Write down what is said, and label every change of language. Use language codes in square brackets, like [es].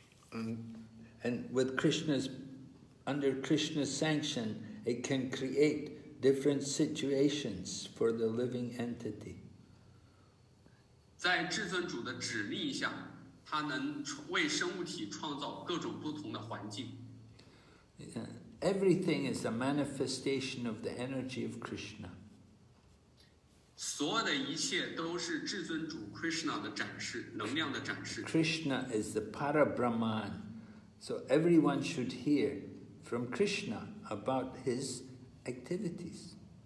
[en] And with Krishna's, under Krishna's sanction, it can create different situations for the living entity. [zh] 在至尊主的指令下, 他能为生物体创造各种不同的环境。 [en] Everything is a manifestation of the energy of Krishna. [zh] 所有的一切都是至尊主 Krishna的展示, 能量的展示。 [en] Krishna is the Parabrahman. So everyone should hear from Krishna about his activities.